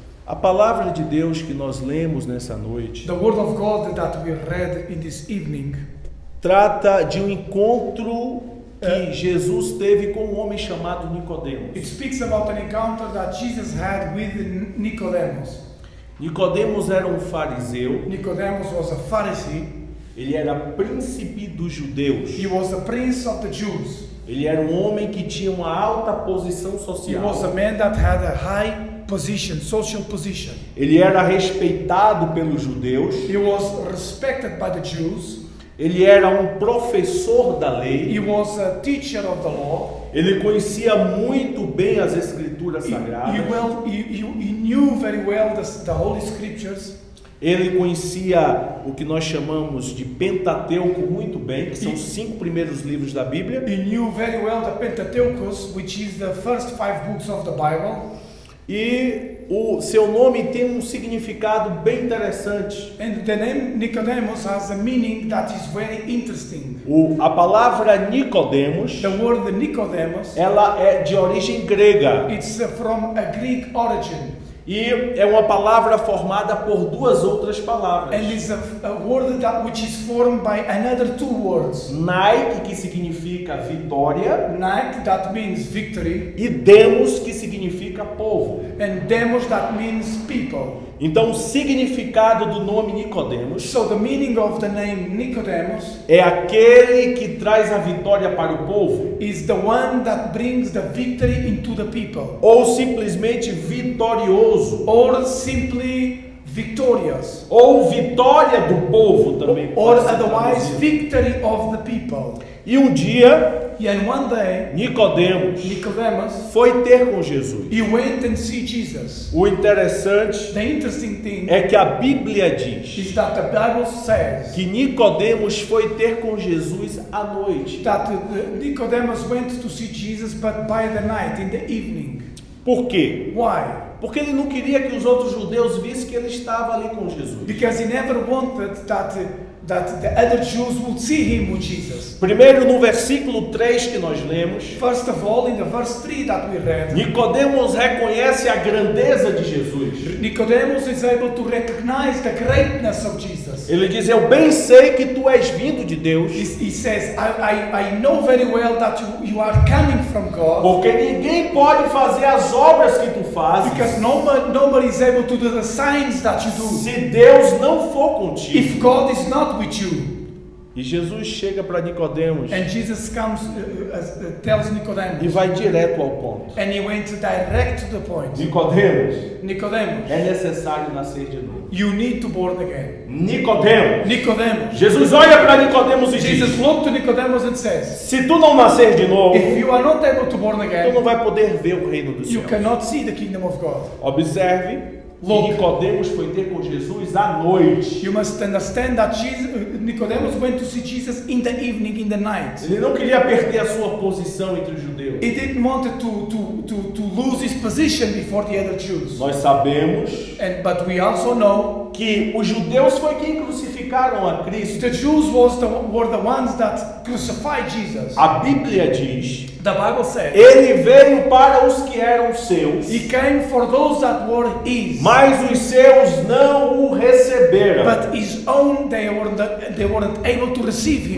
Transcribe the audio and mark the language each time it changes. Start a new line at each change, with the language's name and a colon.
Portuguese: A palavra de Deus que nós lemos nessa noite.
English: The word of God that we read in this evening.
Portuguese: Trata de um encontro que Jesus teve com um homem chamado Nicodemos.
English: It speaks about an encounter that Jesus had with Nicodemus.
Portuguese: Nicodemos era um fariseu.
English: Nicodemus was a Pharisee.
Portuguese: Ele era príncipe dos judeus.
English: He was a prince of the Jews.
Portuguese: Ele era um homem que tinha uma alta posição social.
English: He was a man that had a high position, social position.
Portuguese: Ele era respeitado pelos judeus.
English: He was respected by the Jews.
Portuguese: Ele era um professor da lei.
English: He was a teacher of the law.
Portuguese: Ele conhecia muito bem as escrituras sagradas.
English: He knew very well the Holy Scriptures.
Portuguese: Ele conhecia o que nós chamamos de Pentateuco muito bem, que são os cinco primeiros livros da Bíblia.
English: He knew very well the Pentateuchus, which is the first five books of the Bible.
Portuguese: E o seu nome tem um significado bem interessante.
English: And the name Nicodemus has a meaning that is very interesting.
Portuguese: A palavra Nicodemus,
English: the word Nicodemus,
Portuguese: ela é de origem grega.
English: It's from a Greek origin.
Portuguese: E é uma palavra formada por duas outras palavras.
English: And it's a word that which is formed by another two words.
Portuguese: Nike, que significa vitória.
English: Nike, that means victory.
Portuguese: E demos, que significa povo.
English: And demos, that means people.
Portuguese: Então, o significado do nome Nicodemus.
English: So the meaning of the name Nicodemus
Portuguese: é aquele que traz a vitória para o povo.
English: Is the one that brings the victory into the people.
Portuguese: Ou simplesmente vitorioso.
English: Or simply victorious.
Portuguese: Ou vitória do povo também.
English: Or otherwise victory of the people.
Portuguese: E um dia,
English: and one day,
Portuguese: Nicodemus foi ter com Jesus.
English: He went and see Jesus.
Portuguese: O interessante,
English: the interesting thing,
Portuguese: é que a Bíblia diz
English: is that the Bible says
Portuguese: que Nicodemus foi ter com Jesus à noite.
English: That Nicodemus went to see Jesus, but by the night, in the evening.
Portuguese: Por quê?
English: Why?
Portuguese: Porque ele não queria que os outros judeus vissem que ele estava ali com Jesus.
English: Because he never wanted that. That the other Jews would see him with Jesus.
Portuguese: Primeiro, no versículo 3 que nós lemos.
English: First of all, in the verse 3 that we read.
Portuguese: Nicodemus reconhece a grandeza de Jesus.
English: Nicodemus is able to recognize the greatness of Jesus.
Portuguese: Ele diz: Eu bem sei que tu és vindo de Deus.
English: He says, I know very well that you are coming from God.
Portuguese: Porque ninguém pode fazer as obras que tu fazes.
English: Because nobody is able to do the signs that you do.
Portuguese: Se Deus não for contigo.
English: If God is not with you.
Portuguese: E Jesus chega para Nicodemos.
English: And Jesus comes tells Nicodemus.
Portuguese: E vai direto ao ponto.
English: And he went direct to the point.
Portuguese: Nicodemos. É necessário nascer de novo.
English: You need to born again.
Portuguese: Nicodemos. Jesus olha para Nicodemos e Jesus diz,
English: looked to Nicodemus and says,
Portuguese: se tu não nascer de novo,
English: if you are not able to born again,
Portuguese: tu não vai poder ver o reino do céu.
English: You cannot see the kingdom of God.
Portuguese: Observe. Nicodemus foi ter com Jesus à noite.
English: You must understand that Nicodemus went to see Jesus in the evening, in the night.
Portuguese: Ele não queria perder a sua posição entre os judeus.
English: He didn't want to lose his position before the other Jews.
Portuguese: Nós sabemos.
English: But we also know
Portuguese: que os judeus foi quem crucificaram a Cristo.
English: The Jews were the ones that crucified Jesus.
Portuguese: A Bíblia diz.
English: The Bible says,
Portuguese: ele veio para os que eram seus.
English: He came for those that were his.
Portuguese: Mas os seus não o receberam.
English: But his own they weren't able to receive him.